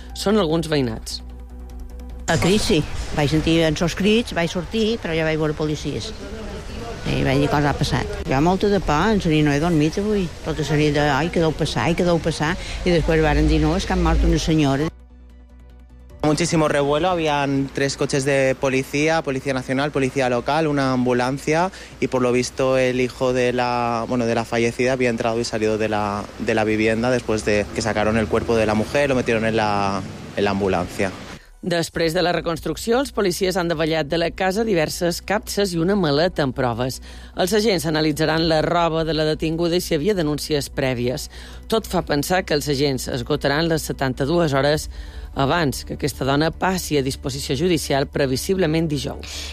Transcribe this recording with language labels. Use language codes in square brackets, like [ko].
[ca] Són alguns veïnats. El crit, sí. Vaig sentir en sos crits, vaig sortir, però ja vaig veure policies. I vaig dir cosa ha passat. Jo molta de por, en seria, no he dormit avui. Tota seria de, ai, què deu passar, ai, què deu passar. I després varen dir, no, és que han mort una senyora. Com [es] muchísimo revuelo, habían tres coches de policía, policía nacional, policía local, una ambulancia y por lo visto el hijo de la, bueno, de la fallecida había entrado y salido de la vivienda después de que sacaron el cuerpo de la mujer, lo metieron en la ambulancia. [ca] Després de la reconstrucció, els policies han davallat de la casa diverses capses i una maleta amb proves. Els agents analitzaran la roba de la detinguda i si hi havia denúncies prèvies. Tot fa pensar que els agents esgotaran les 72 hores abans que aquesta dona passi a disposició judicial previsiblement dijous.